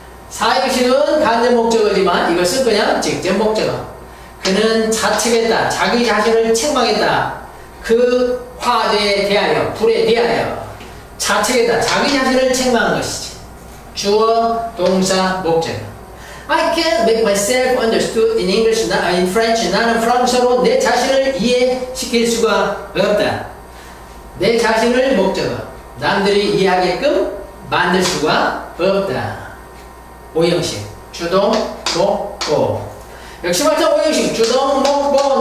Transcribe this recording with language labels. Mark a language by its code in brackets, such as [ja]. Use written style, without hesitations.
[ko] 사형식은 간접 목적어지만 이걸 쓸 거냐 직접 목적어. 그는 자책했다. 자기 자신을 책망했다. 그 화재에 대하여 불에 대하여 자책했다. 자기 자신을 책망한 것이지. 주어 동사 목적어. [en] I can't make myself understood in English, not in French. [ko] 나는 프랑스어로 내 자신을 이해시킬 수가 없다. 내 자신을 목적어. 남들이 이해하게끔 만들 수가 없다. 5형식. 주동, 목, 보. 역시 말자 5형식. 주동, 목, 보.